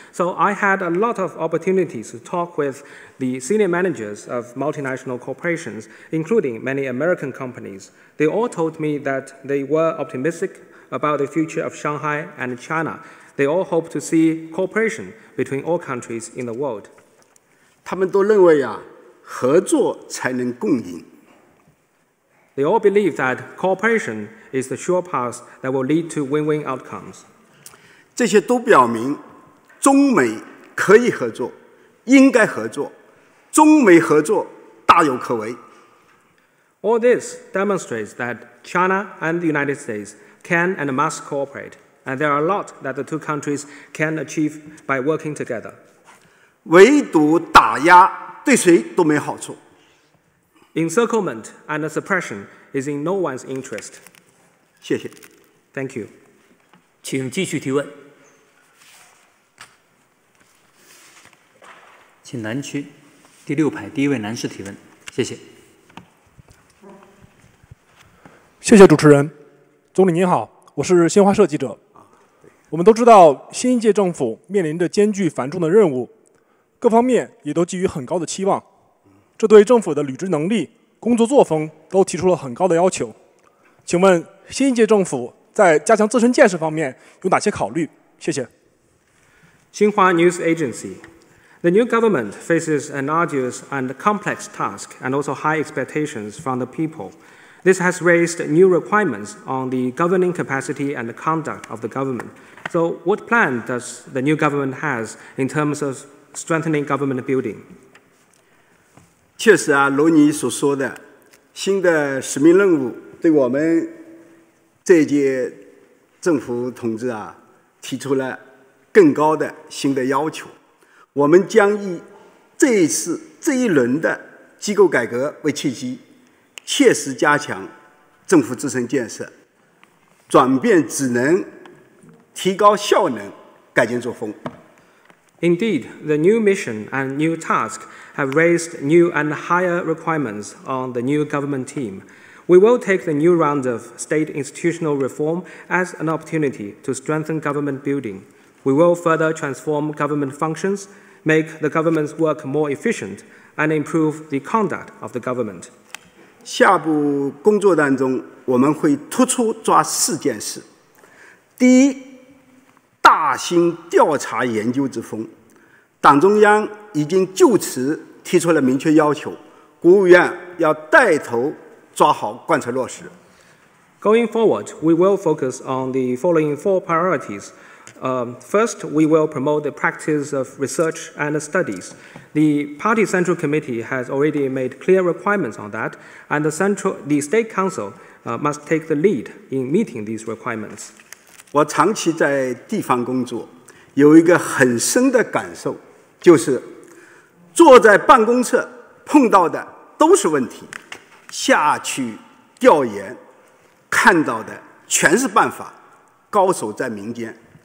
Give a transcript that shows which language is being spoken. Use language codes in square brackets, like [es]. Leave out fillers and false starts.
[en] So I had a lot of opportunities to talk with the senior managers of multinational corporations, including many American companies. They all told me that they were optimistic about the future of Shanghai and China. They all hope to see cooperation between all countries in the world. [zh] 他们都认为啊，合作才能共赢。 [en] They all believe that cooperation is the sure path that will lead to win-win outcomes. [zh] 这些都表明中美可以合作，应该合作，中美合作大有可为。 [en] All this demonstrates that China and the United States can and must cooperate, and there are a lot that the two countries can achieve by working together. [zh] 围堵打压对谁都没好处。 [en] Encirclement and suppression is in no one's interest. [zh] 谢谢。 [en] Thank you. [zh] 请继续提问。请南区第六排第一位男士提问。谢谢。谢谢主持人。总理您好，我是新华社记者。我们都知道新一届政府面临着艰巨繁重的任务，各方面也都寄予很高的期望，这对政府的履职能力、工作作风都提出了很高的要求。请问新一届政府在加强自身建设方面有哪些考虑？谢谢。 [en] Xinhua News Agency. The new government faces an arduous and complex task and also high expectations from the people. This has raised new requirements on the governing capacity and the conduct of the government. So what plan does the new government has in terms of strengthening government building? [zh] 确实啊，如你所说的，新的使命任务对我们这届政府同志啊，提出了更高的新的要求。我们将以这一次这一轮的机构改革为契机，切实加强政府自身建设，转变职能，提高效能，改进作风。 [en] Indeed, the new mission and new task have raised new and higher requirements on the new government team. We will take the new round of state institutional reform as an opportunity to strengthen government building. We will further transform government functions, make the government's work more efficient, and improve the conduct of the government. [zh] 下部工作当中，我们会突出抓四件事。第一，大兴调查研究之风，党中央已经就此提出了明确要求，国务院要带头抓好贯彻落实。 [en] Going forward, we will focus on the following four priorities. First, we will promote the practice of research and studies. The Party Central Committee has already made clear requirements on that, and the State Council must take the lead in meeting these requirements. [zh] 我长期在地方工作，有一个很深的感受，就是坐在办公室碰到的都是问题，下去调研看到的全是办法，高手在民间。